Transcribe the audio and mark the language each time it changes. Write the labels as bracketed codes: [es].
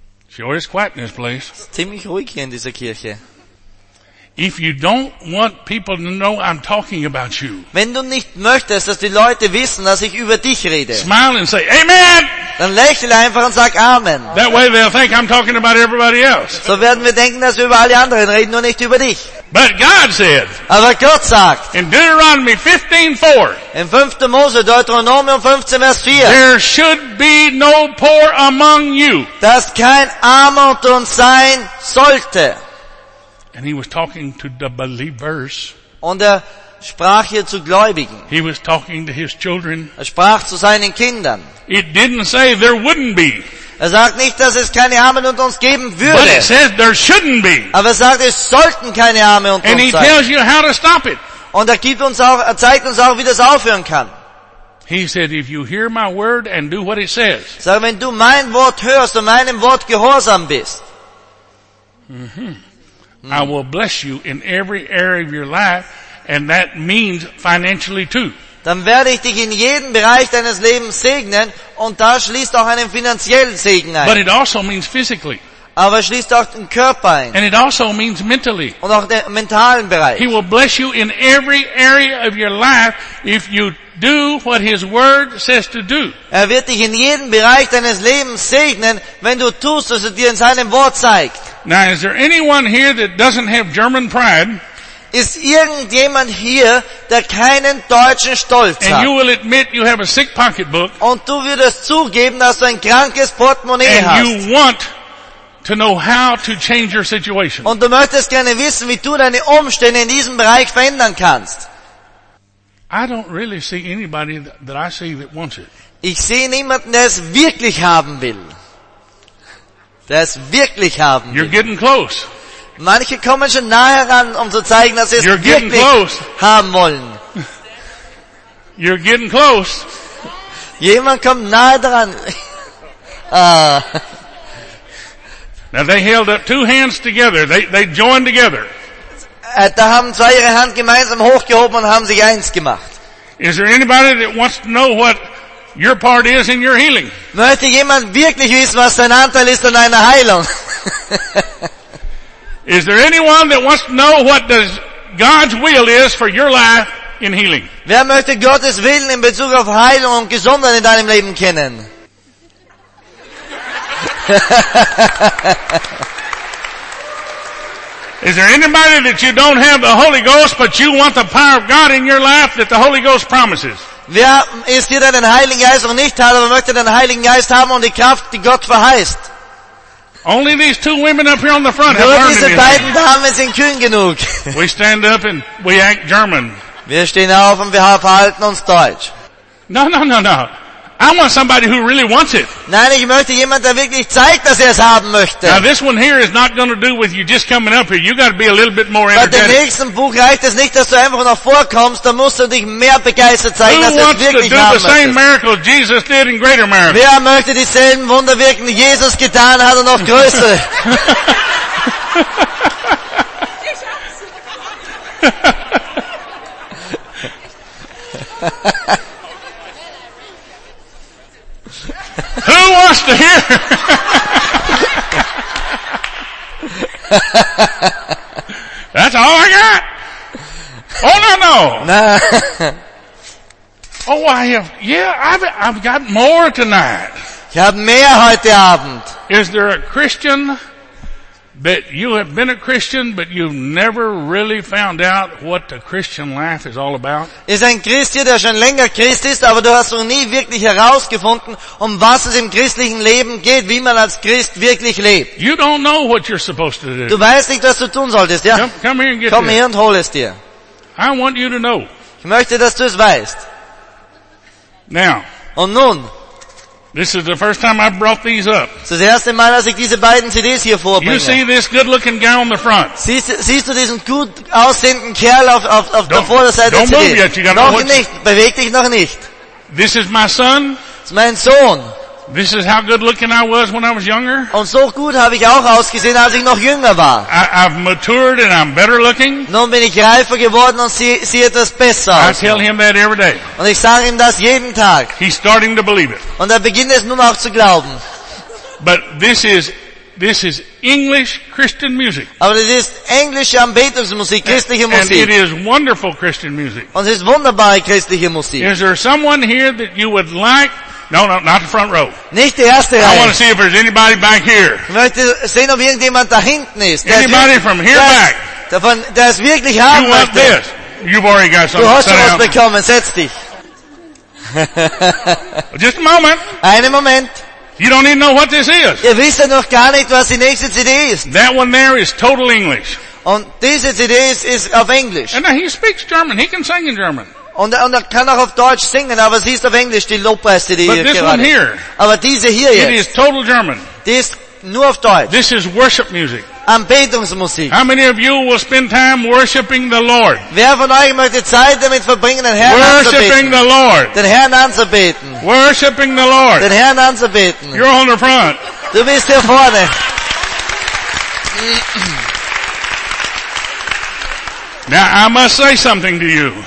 [en] Sure is quiet in this place. [de] Es ist ziemlich ruhig hier in dieser Kirche. [en] If you don't want people to know I'm talking about you. [de] Wenn du nicht möchtest, dass die Leute wissen, dass ich über dich rede. [en] Smile and say amen. [de] Dann lächle einfach und sag Amen. [en] That way they'll think I'm talking about everybody else. [de] So werden wir denken, dass wir über alle anderen reden und nicht über dich. [en] But God said. [de] Aber Gott sagt. [en] In Deuteronomy 15:4. [de] In 5. Mose Deuteronomium 15 Vers 4. [en] There should be no poor among you. [de] Dass kein Armer unter uns sein sollte. [en] And he was talking to the believers. [de] Und sprach hier zu Gläubigen. [en] He was talking to his children. [de] Sprach zu seinen Kindern. [en] It didn't say there wouldn't be. [de] Sagt nicht, dass es keine Armen unter uns geben würde. [en] But it says there shouldn't be. [de] Aber sagt, es sollten keine Armen unter uns sein. [en] And he tells you how to stop it. [de] Und zeigt uns auch, wie das aufhören kann. [en] He said, if you hear my word and do what it says. [de] Sag, wenn du mein Wort hörst und meinem Wort gehorsam bist. [en] I will bless you in every area of your life, and that means financially too. [de] Dann werde ich dich in jedem Bereich deines Lebens segnen, und da schließt auch einen finanziellen Segen ein. [en] But it also means physically. [de] Aber schließt auch den Körper ein. [en] And it also means mentally. [de] Und auch den mentalen Bereich. [en] He will bless you in every area of your life if you do what his word says to do. [de] Er wird dich in jedem Bereich deines Lebens segnen, wenn du tust, was er dir in seinem Wort zeigt. [en] Now is there anyone here that doesn't have German pride? [de] Ist irgendjemand hier, der keinen deutschen Stolz hat? [en] And you will admit you have a sick pocketbook. [de] Und du würdest zugeben, dass du ein krankes Portemonnaie hast. [en] And you want to know how to change your situation. [de] Und du möchtest gerne wissen, wie du deine Umstände in diesem Bereich verändern kannst. [en] I don't really see anybody that I see that wants it. [de] Ich sehe niemanden, der es wirklich haben will. Der es wirklich haben will. [en] You're getting close. [de] Manche kommen schon nah heran, um zu zeigen, dass sie es [en] You're getting [de] wirklich [en] close. [de] Haben wollen. [en] You're getting close. [de] Jemand kommt nahe dran. [en] Now they held up two hands together. They joined together. [de] Da haben zwei ihre Hand gemeinsam hochgehoben und haben sich eins gemacht. [en] Is there anybody that wants to know what your part is in your healing? [de] Möchte jemand wirklich wissen, was sein Anteil ist an einer Heilung? [en] Is there anyone that wants to know what does God's will is for your life in healing? [de] Wer möchte Gottes Willen in Bezug auf Heilung und Gesundheit in deinem Leben kennen? [en] Is there anybody that you don't have the Holy Ghost, but you want the power of God in your life that the Holy Ghost promises? [de] Wer ist hier, der den Heiligen Geist noch nicht hat, aber möchte den Heiligen Geist haben und die Kraft, die Gott verheißt? [en] Only these two women up here on the front [de] Nur [en] have learned [de] diese beiden Damen sind kühn genug. [en] We stand up and we act German. [de] Wir stehen auf und wir verhalten uns Deutsch. [en] No. I want somebody who really wants it. [de] Nein, ich möchte jemand, der wirklich zeigt, dass er es haben möchte. [en] Now this one here is not going to do with you just coming up here. You got to be a little bit more energetic. [de] Bei dem nächsten Buch reicht es nicht, dass du einfach noch vorkommst. Da musst du dich mehr begeistert zeigen, dass du es wirklich haben möchtest. [en] Who wants to do the same miracle Jesus did in greater miracles? [de] Wer möchte dieselben Wunder wirken, die Jesus getan hat, und noch größer? [en] Who wants to hear? That's all I got. Oh no. Nah. Oh, I've got more tonight. [de] Ich hab mehr heute Abend. [en] Is there a Christian that you have been a Christian but you've never really found out what the Christian life is all about? [de] Ist ein Christ hier, der schon länger Christ ist, aber du hast noch nie wirklich herausgefunden, um was es im christlichen Leben geht, wie man als Christ wirklich lebt. [en] You don't know what you're supposed to do. [de] Du weißt nicht, was du tun solltest, ja? [en] Come here and get [de] it. Komm her und hol es dir. [en] I want you to know. [de] Ich möchte, dass du es weißt. [en] Now. [de] Und nun. [en] This is the first time I brought these up. [de] Das ist das erste Mal, dass ich diese beiden CDs hier vorbringe. [en] You see this good-looking guy on the front? [de] Siehst du diesen gut aussehenden Kerl auf der Vorderseite der CD? [en] Don't move yet. You gotta [de] noch nicht. Beweg dich noch nicht. [en] This is my son. [de] Das ist mein Sohn. [en] This is how good looking I was when I was younger. [de] Und so gut habe ich auch ausgesehen, als ich noch jünger war. [en] I've matured and I'm better looking. [de] Nun bin ich reifer geworden und sehe etwas besser aus. [en] I tell him that every day. [de] Und ich sage ihm das jeden Tag. [en] He's starting to believe it. [de] Und beginnt es nun auch zu glauben. [en] But this is English Christian music. [de] Aber das ist englische Anbetungsmusik, christliche Musik. [en] And it is wonderful Christian music. [de] Und es ist wunderbare christliche Musik. [en] Is there someone here that you would like? No, not the front row. [de] Nicht die erste Reihe. [en] I want to see if there's anybody back here. [de] Ich möchte sehen, ob irgendjemand da hinten ist. [en] Anybody from here back? [de] Der es wirklich haben [en] möchte. You want this? You've already got something. [de] Du hast schon was bekommen. Setz dich. [en] Just a moment. [de] Einen Moment. [en] You don't even know what this is. [de] Ihr wisst ja noch gar nicht, was die nächste CD ist. [en] That one there is total English. [de] Und diese CD ist auf Englisch. [en] And now he speaks German. He can sing in German. [de] Und er kann auch auf Deutsch singen, aber sie ist auf Englisch, die Lobpreise, die hier gerade. Aber diese hier jetzt. [en] It is total German. [de] Die ist nur auf Deutsch. [en] This is worship music. [de] Anbetungsmusik. [en] How many of you will spend time worshiping the Lord? [de] Wer von euch möchte Zeit damit verbringen, den Herrn anzubeten? [en] Worshiping the Lord. [de] Den Herrn anzubeten. [en] Worshiping the Lord. [de] Den Herrn anzubeten. [en] You're on the front. [de] Du bist hier vorne. [en] Now I must say something to you.